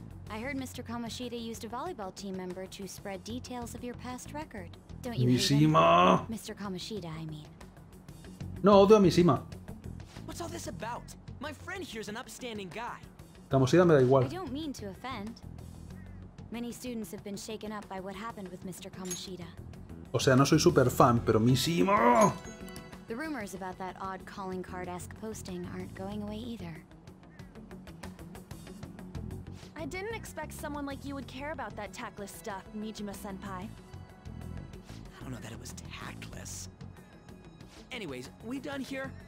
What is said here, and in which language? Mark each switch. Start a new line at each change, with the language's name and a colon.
English: I heard Mr. Kamoshida used a volleyball team member to spread details of your past record. Don't you Mishima? Mr. Kamoshida, I mean.
Spanish: No, odio a Mishima.
English: What's all this about? My friend here's an upstanding guy.
Spanish: Kamoshida me da igual.
English: I don't mean to offend. Many students have been shaken up by what happened with Mr. Kamoshida.
Spanish: O sea, no soy super fan, pero Mishima.
English: The rumors about that odd calling card-esque posting aren't going away either. I didn't expect someone like you would care about that tactless stuff, Nijima-senpai. I don't know that it was tactless. Anyways, we're done here.